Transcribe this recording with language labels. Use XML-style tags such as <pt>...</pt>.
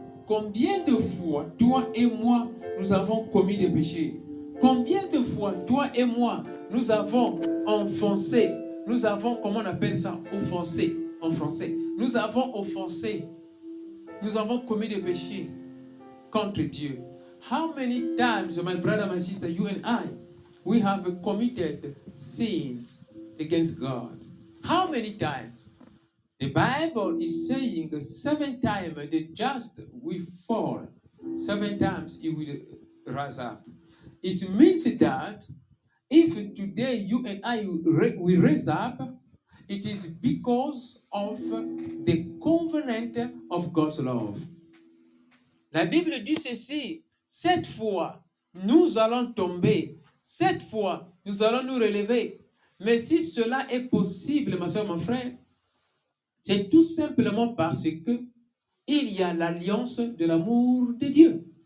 <fr>Combien de fois toi et moi nous avons commis des péchés? Combien de fois toi et moi nous avons enfoncé, nous avons, comment on appelle ça, offensé en français, nous avons offensé, nous avons commis des péchés contre Dieu?</fr> <en>How many times, my brother, my sister, you and I, we have committed sins against God? How many times? The Bible is saying seven times the just will fall, seven times he will rise up. It means that if today you and I will rise up, it is because of the covenant of God's love.</en> <fr>La Bible dit ceci, cette fois nous allons tomber, cette fois nous allons nous relever. Mais si cela est possible, ma soeur, mon frère, c'est tout simplement parce que il y a l'alliance de l'amour de Dieu.</fr>